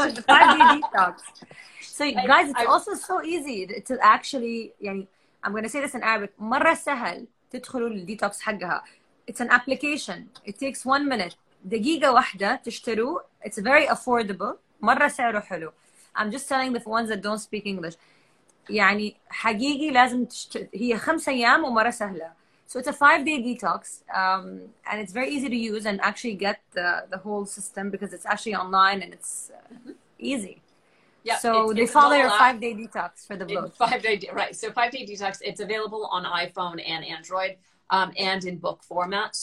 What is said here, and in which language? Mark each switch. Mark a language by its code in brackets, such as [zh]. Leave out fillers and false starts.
[en] Five-day detox. So guys, it's also so easy to actually, [ar] يعني, [en] I'm going to say this in Arabic, [ar] مرة سهل تدخلوا الديتوكس حقها. [en] It's an application. It takes 1 minute. [ar] دقيقة واحدة تشتروا. [en] It's very affordable. [ar] مرة سعره حلو. [en] I'm just telling the ones that don't speak English. [ar] يعني حقيقي لازم هي 5 أيام ومرة سهلة. [en] So it's a 5-day detox, and it's very easy to use and actually get the whole system because it's actually online and it's easy. Yeah, so they follow your 5-day detox for the book. 5-day, right. So 5-day detox, it's available on iPhone and Android and in book format.